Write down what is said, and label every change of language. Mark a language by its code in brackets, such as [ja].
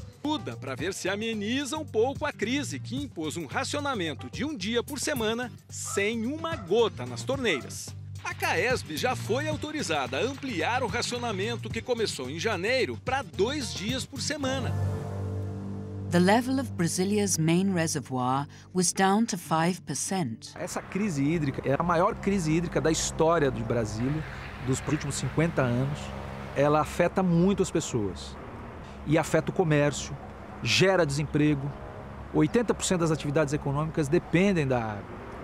[pt] Muda para ver se ameniza um pouco a crise que impôs um racionamento de um dia por semana sem uma gota nas torneiras. A CAESB já foi autorizada a ampliar o racionamento que começou em janeiro para 2 dias por semana. [en] The level of Brasília's main reservoir was down to 5%. [pt] Essa crise hídrica é a maior crise hídrica da história de Brasília, dos últimos 50 anos. Ela afeta muito as pessoas e afeta o comércio, gera desemprego. 80% das atividades econômicas dependem da água.